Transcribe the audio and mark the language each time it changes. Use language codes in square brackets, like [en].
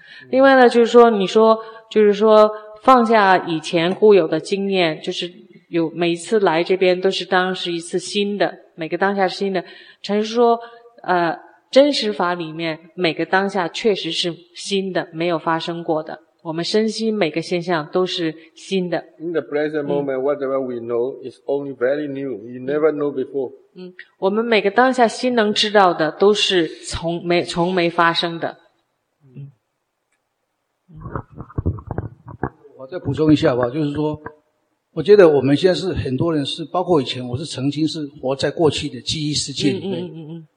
[zh] 另外呢，就是说放下以前固有的经验，就是有每一次来这边都是当时一次新的，每个当下是新的。禅师说，真实法里面每个当下确实是新的，没有发生过的。我们身心每个现象都是新的。 [en] In the present moment, whatever we know is only very new. You never know before. [zh] 我们每个当下心能知道的都是从没发生的。我再补充一下吧，就是说，我觉得我们现在是很多人是，包括以前我是曾经是活在过去的记忆世界里面。